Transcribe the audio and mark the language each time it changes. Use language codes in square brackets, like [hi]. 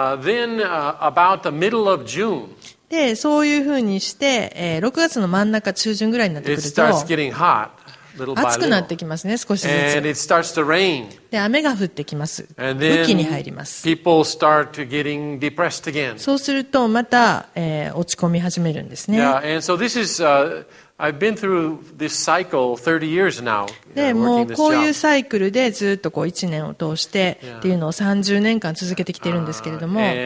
[en] About the middle of June, [ja] で、そういうふうにして、6月の真ん中、中旬ぐらいになってくると、 [en] it starts getting hot, little by little. [ja] 暑くなってきますね、少しずつ。 [en] And it starts to rain. [ja] で、雨が降ってきます。 [en] And then [ja] 雨季に入ります。 [en] People start to getting depressed again. [ja] そうすると、また、落ち込み始めるんですね。 [en] Yeah, and so this is, I've been through this cycle 30 years now. [ja] で、もうこういうサイクルでずっとこう1年を通してっていうのを30年間続けてきてるんですけれども。